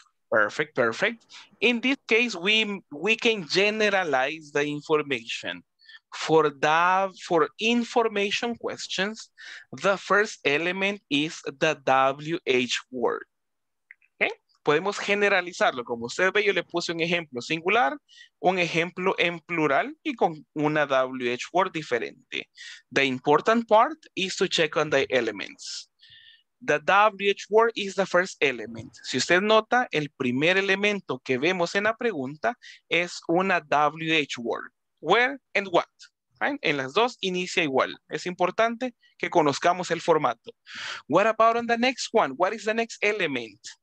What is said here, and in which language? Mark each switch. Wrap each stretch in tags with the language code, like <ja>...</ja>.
<en>Perfect, perfect. In this case, we can generalize the information. For information questions, the first element is the WH word.</en> <es>Okay? Podemos generalizarlo. Como usted ve, yo le puse un ejemplo singular, un ejemplo en plural y con una WH word diferente.</es> <en>The important part is to check on the elements. The WH word is the first element.</en> <es>Si usted nota, el primer elemento que vemos en la pregunta es una WH word.</es> <en>Where and what, right?</en> <es>En las dos inicia igual. Es importante que conozcamos el formato.</es> <en>What about on the next one? What is the next element?</en>